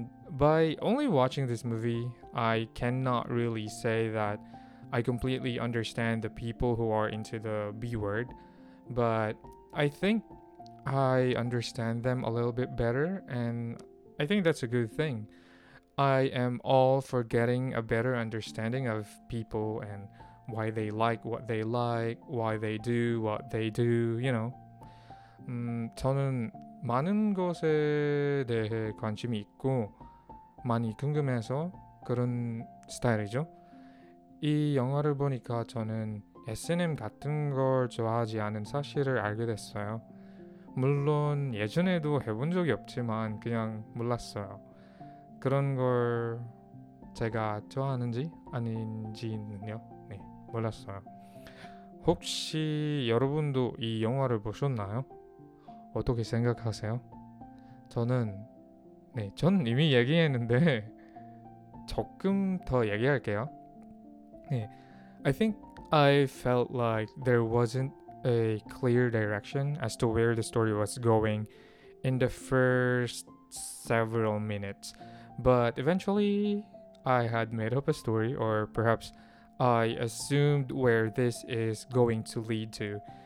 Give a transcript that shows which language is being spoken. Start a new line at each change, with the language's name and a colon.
English: By only watching this movie, I cannot really say that I completely understand the people who are into the B word, but I think I understand them a little bit better, and I think that's a good thing. I am all for getting a better understanding of people and why they like what they like, why they do what they do, you know.
Korean: 저는 많은 것에 대해 관심이 있고 많이 궁금해서 그런 스타일이죠. 이 영화를 보니까 저는 SNM 같은 걸 좋아하지 않은 사실을 알게 됐어요. 물론 예전에도 해본 적이 없지만 그냥 몰랐어요. 그런 걸 제가 좋아하는지 아닌지는요. 네, 몰랐어요. 혹시 여러분도 이 영화를 보셨나요? 어떻게 생각하세요? 저는 네, 전 이미 얘기했는데 조금 더 얘기할게요.
English: 네, I think I felt like there wasn't a clear direction as to where the story was going in the first several minutes. But eventually, I had made up a story, or perhaps I assumed where this is going to lead to.